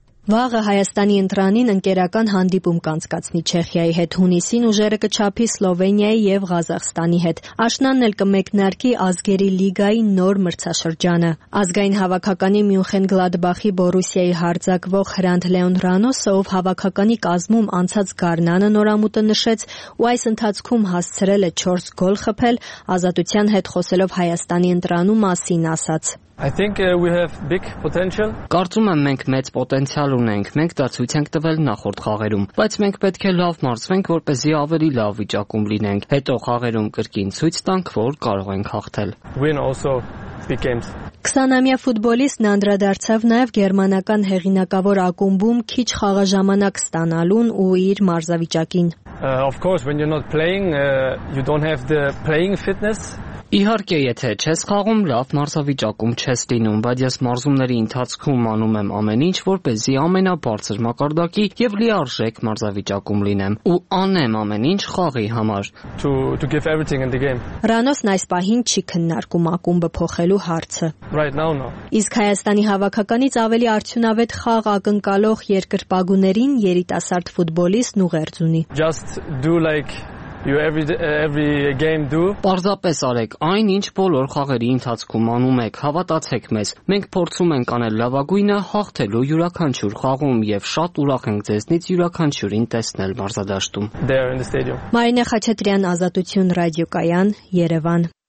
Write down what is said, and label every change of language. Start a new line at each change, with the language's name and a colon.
Armenian: Վաղը Հայաստանի ընտրանին ընկերական հանդիպում կանցկացնի Չեխիայի հետ, հունիսին ուժերը կչափի Սլովենիայի և Ղազախստանի հետ։ Աշնանն էլ կմեկնարկի ազգերի լիգայի նոր մրցաշրջանը։ Ազգային հավաքականի Մյունխեն Գլադբախի Բորուսիայի հարձակվող Հրանտ Լեոն Ռանոսը, ով հավաքականի կազմում անցած գարնանը նորամուտը նշեց ու այս ընթացքում հասցրել է 4 գոլ խփել, ազատության հետ խոսելով Հայաստանի ընտրանու մասին ասաց.
English: I think we have big potential.
Armenian: Կարծում եմ մենք մեծ պոտենցիալ ունենք, մենք դա ցույց ենք տվել նախորդ խաղերում, բայց մենք պետք է լավ մարզվենք, որպեսզի ավելի լավ վիճակում լինենք, հետո խաղերում կրկին ցույց տանք, որ կարող ենք հաղթել.
English: Win also big games.
Armenian: 20-ամյա ֆուտբոլիստն անդրադարձավ նաև գերմանական հեղինակավոր ակումբում քիչ խաղաժամանակ ստանալուն ու իր մարզավիճակին.
English: Of course, when you're not playing, you don't have the playing fitness.
Armenian: Իհարկե, եթե չես խաղում, լավ մարզավիճակում չես լինում, բայց ես մարզումների ընթացքում անում եմ ամեն ինչ, որպեսզի ամենաբարձր մակարդակի և լիարժեք մարզավիճակում լինեմ ու անեմ ամեն ինչ խաղի համար.
English: To give everything in the game.
Armenian: Ռանոսն այս պահին չի քննարկում ակումբը փոխելու հարցը.
English: Right now, no.
Armenian: Իսկ Հայաստանի հավաքականից ավելի արդյունավետ խաղ ակնկալող երկրպագուներին երիտասարդ ֆուտբոլիստ ուղերձ ունի.
English: Just do like you every game do.
Armenian: Պարզապես արեք այն, ինչ բոլոր խաղերի ընթացքում անում եք, հավատացեք մեզ, մենք փորձում ենք անել լավագույնը հաղթելու յուրաքանչյուր խաղում և շատ ուրախ ենք ձեզնից յուրաքանչյուրին տեսնել մարզադաշտում.
English: There in the stadium.
Armenian: Մարինե Խաչատրյան, Ազատություն ռադիոկայան, Երևան.